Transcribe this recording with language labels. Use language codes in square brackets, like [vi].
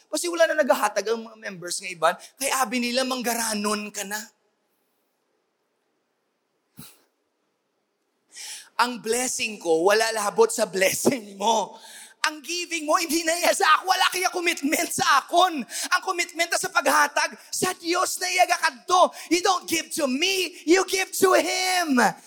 [hil] Kasi wala na naghahatag ang mga members ng iban. Kaya abi nila, manggaranon ka na. Ang blessing ko, wala labot sa blessing mo. Ang giving mo, hindi na iya sa ako. Wala kaya commitment sa akon. Ang commitment sa paghatag, sa Diyos na iya gakadto. [en] You don't give to me, you give to Him.